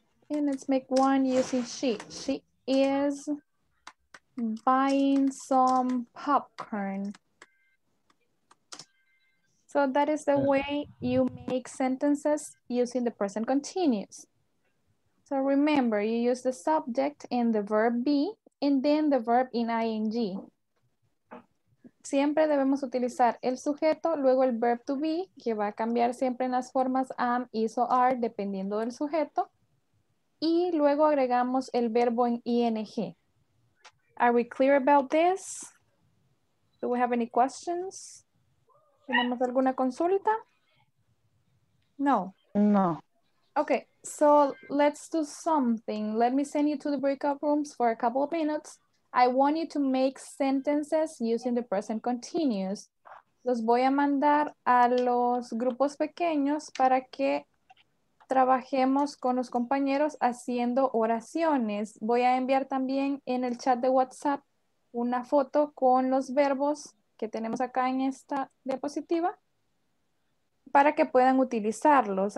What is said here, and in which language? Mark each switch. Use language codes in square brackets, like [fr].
[en] And let's make one using she. She is buying some popcorn. So that is the way you make sentences using the present continuous. So remember, you use the subject and the verb be, and then the verb in ing. [es] Siempre debemos utilizar el sujeto, luego el verb to be, que va a cambiar siempre en las formas am, is, o are, dependiendo del sujeto. Y luego agregamos el verbo en ing. [en] Are we clear about this? Do we have any questions? [es] ¿Tenemos alguna consulta? [en] No. No. Okay, so let's do something. Let me send you to the breakout rooms for a couple of minutes. I want you to make sentences using the present continuous. [es] los voy a mandar a los grupos pequeños para que trabajemos con los compañeros haciendo oraciones. Voy a enviar también en el chat de WhatsApp una foto con los verbos que tenemos acá en esta diapositiva para que puedan utilizarlos.